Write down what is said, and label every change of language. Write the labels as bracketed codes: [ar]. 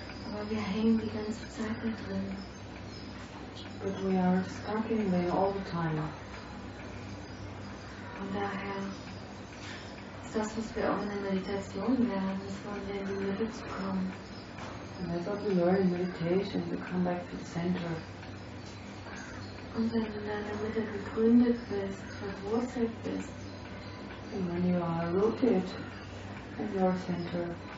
[de] Aber wir hängen die ganze Zeit da drin. [en] But we are stuck in there all the time. [de] Von daher ist das, was wir auch in der Meditation lernen, ist, von der in die Mitte zu kommen. [en] And that's what we learn in meditation, to come back to the center. [de] Und wenn du in deiner Mitte gegründet bist, verwurzelt bist, [en] and when you are rooted in your center,